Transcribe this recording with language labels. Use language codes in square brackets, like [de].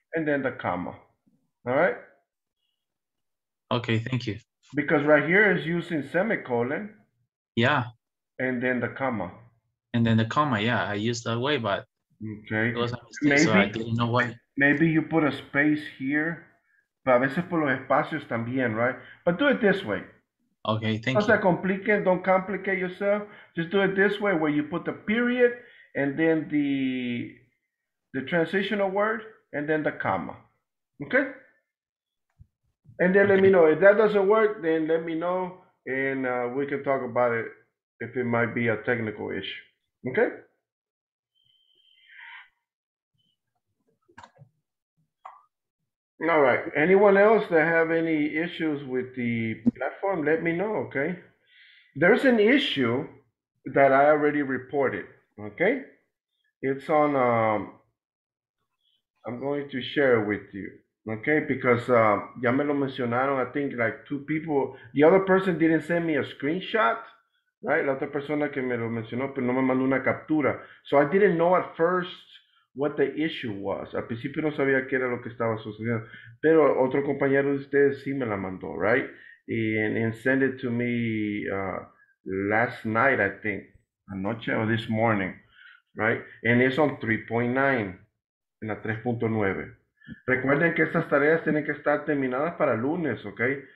[en] And then the comma. All right? Okay, thank you. Because right here is using semicolon. Yeah. And then the comma. And then the comma, yeah. I used that way, but okay. It was a mistake, maybe, so I didn't know why. Maybe you put a space here. [es] Pero a veces por los espacios también, right? [en] But do it this way. Okay, thank you. Don't complicate yourself. Just do it this way, where you put the period, and then the transitional word, and then the comma, okay? And then let me know. If that doesn't work, then let me know, and we can talk about it if it might be a technical issue, okay? All right. Anyone else that have any issues with the platform, let me know, okay? There's an issue that I already reported, okay? It's on, I'm going to share it with you, okay? Because [es] ya me lo mencionaron, [en] I think like two people, the other person didn't send me a screenshot, right? [es] La otra persona que me lo mencionó, pero no me mandó una captura. [en] So I didn't know at first what the issue was. [es] Al principio no sabía qué era lo que estaba sucediendo, pero otro compañero de ustedes sí me la mandó, right? [en] And send it to me last night, I think, anoche or this morning, right? And it's on 3.9, [es] en la 3.9. Recuerden que estas tareas tienen que estar terminadas para lunes, okay?